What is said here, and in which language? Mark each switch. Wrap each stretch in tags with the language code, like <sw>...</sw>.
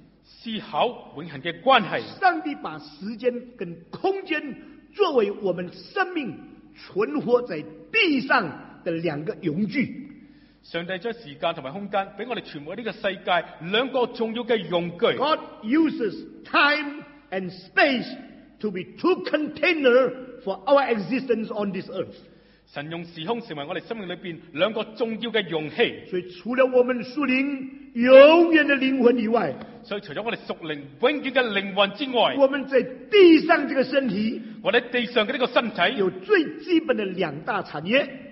<zh>思考永恒的关系。上帝把时间跟空间作为我们生命存活在地上的两个永具。上帝将时间和空间给我们存活这个世界两个重要的用具。</zh> <en>God uses time and space to be two containers for our existence on this earth.</en> <zh>神用时空成为我们生命里面两个重要的容器。所以除了我们属灵永远的灵魂以外，所以除了我们属灵永远的灵魂之外，我们在地上这个身体，我们地上的这个身体有最基本的两大产业，</zh>